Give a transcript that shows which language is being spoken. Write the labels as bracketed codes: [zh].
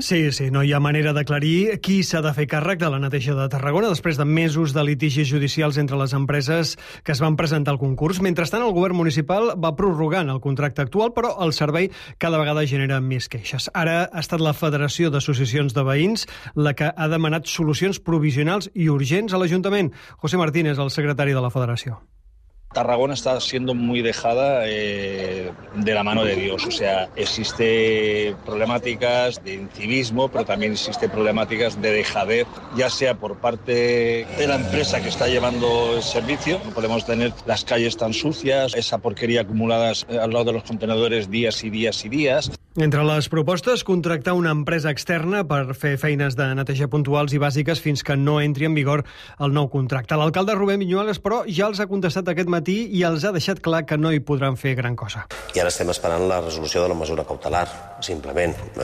[ca] Sí, sí, no hi ha manera d'aclarir qui s'ha de fer càrrec de la neteja de Tarragona després de mesos de litigis judicials entre les empreses que es van presentar al concurs. Mentrestant, el govern municipal va prorrogant el contracte actual, però el servei cada vegada genera més queixes. Ara ha estat la Federació d'Associacions de Veïns la que ha demanat solucions provisionals i urgents a l'Ajuntament. José Martínez, el secretari de la Federació. [es] Tarragona está siendo muy dejada de la mano de Dios. O sea, existe problemáticas de incivismo, pero también existe problemáticas de dejadez, ya sea por parte de la empresa que está llevando el servicio. No podemos tener las calles tan sucias, esa porquería acumulada al lado de los contenedores días y días y días. [ca] Entre les propostes, contractar una empresa externa per fer feines de neteja puntuals i bàsiques fins que no entri en vigor el nou contracte. L'alcalde Rubén Viñuales, però, ja els ha contestat aquest matí i els ha deixat clar que no hi podran fer gran cosa. I ara estem esperant la resolució de la mesura cautelar, simplement.